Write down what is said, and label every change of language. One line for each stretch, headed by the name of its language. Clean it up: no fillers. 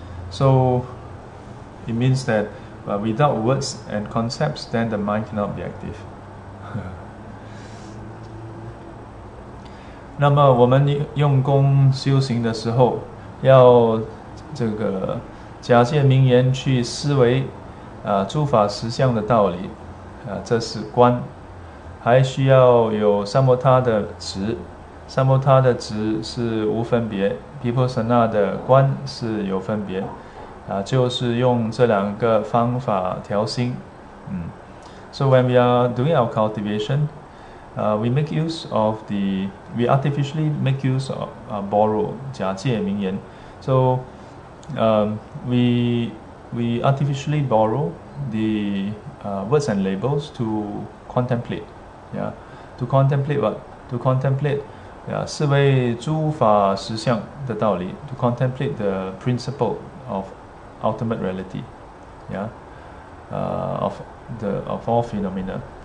English: So it means that without words and concepts, then the mind cannot be active.
Chinese: 那么我们用功修行的时候, 要这个假借名言去思维, 诸法实相的道理, 这是观, 还需要有萨摩他的执, 萨摩他的执是无分别, 毗婆舍那的观是有分别, 就是用这两个方法调心.
English: So when we are doing our cultivation, we make use of the, we artificially make use of borrow 假借名言. So we artificially borrow the words and labels to contemplate, yeah, to contemplate what, to contemplate, yeah,
Chinese: 思维诸法实相的道理,
English: to contemplate the principle of ultimate reality, yeah, of all phenomena.